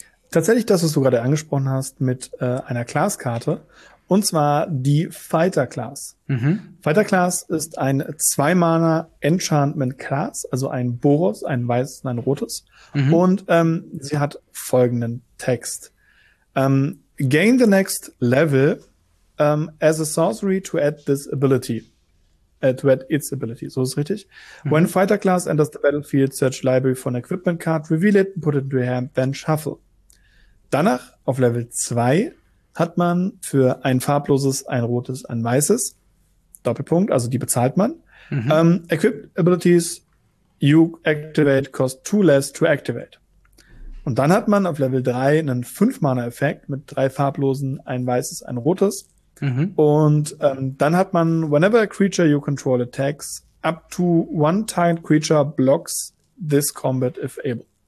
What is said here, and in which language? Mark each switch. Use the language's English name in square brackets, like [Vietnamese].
[German] Tatsächlich das, was du gerade angesprochen hast mit einer Class-Karte, und zwar die Fighter-Class. Fighter-Class ist ein 2-Mana-Enchantment-Class, also ein Boros, ein weißes und ein rotes. Und sie hat folgenden Text. [English] Gain the next level as a sorcery to add this ability. To add its ability, [German] so ist es richtig. [English] When Fighter-Class enters the battlefield, search library for an equipment card, reveal it, put it into your hand, then shuffle. [German] Danach, auf Level 2, hat man für ein farbloses, ein rotes, ein weißes, Doppelpunkt, also die bezahlt man. [English] Equipped Abilities you activate cost 2 less to activate. [German] Und dann hat man auf Level 3 einen 5-Mana-Effekt mit 3 farblosen, ein weißes, ein rotes. Und dann hat man, [English] whenever a creature you control attacks, up to one tiled creature blocks this combat if able.